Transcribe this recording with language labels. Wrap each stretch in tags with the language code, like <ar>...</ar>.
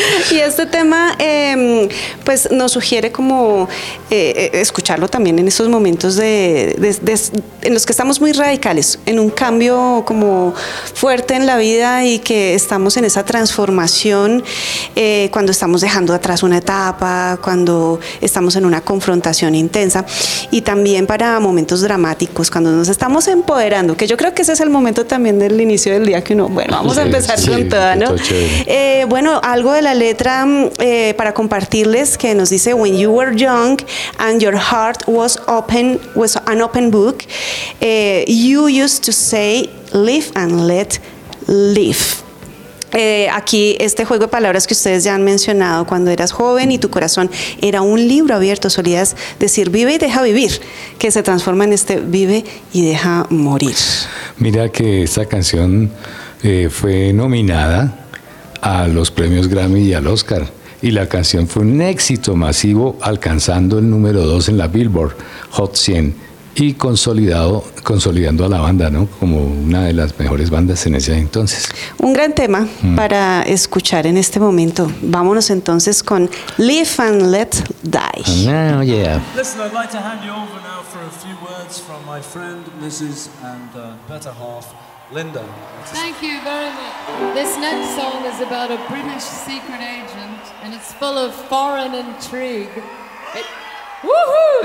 <es>Y este tema pues nos sugiere como escucharlo también en esos momentos de en los que estamos muy radicales, en un cambio como fuerte en la vida y que estamos en esa transformación, cuando estamos dejando atrás una etapa, cuando estamos en una confrontación intensa y también para momentos dramáticos, cuando nos estamos empoderando, que yo creo que ese es el momento también del inicio del día que uno, bueno, vamos a empezar con toda, ¿no? Bueno, algo de la letra para compartirles que nos dice:</es> <en>When you were young and your heart was open, was an open book, you used to say live and let live.</en> <es>Aquí este juego de palabras que ustedes ya han mencionado, cuando eras joven y tu corazón era un libro abierto, solías decir vive y deja vivir, que se transforma en este vive y deja morir. Mira que esta canción fue nominada a los premios Grammy y al Oscar, y la canción fue un éxito masivo, alcanzando el número 2 en la Billboard Hot 100 y consolidando a la banda, ¿no?, como una de las mejores bandas en ese entonces. Un gran tema para escuchar en este momento. Vámonos entonces con Live and Let Die.</es> <en>Oh, yeah. Listen, I'd like to hand you over now for a few words from my friend Mrs. and better half Linda. Thank you very much. This next song is about a British secret agent, and it's full of foreign intrigue. Woohoo!</en>